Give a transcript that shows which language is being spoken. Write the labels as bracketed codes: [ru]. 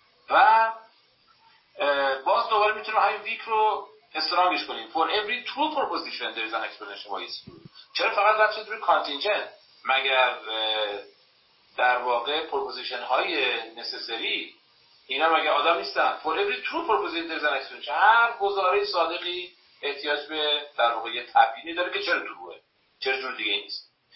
[fa] و باز دوباره میتونم همین ویک رو استرانگش کنیم. [en] For every true proposition there is an explanation why it's true. [fa] چرا فقط رفت شد روی contingent؟ مگر در واقع proposition های necessary اینا مگه آدم نیستن؟ [en] For every true proposition there is an explanation. [fa] هر گزاره صادقی احتیاج به در واقع یه تبیینی داره که چرا دروغه، چرا جور دیگه نیست.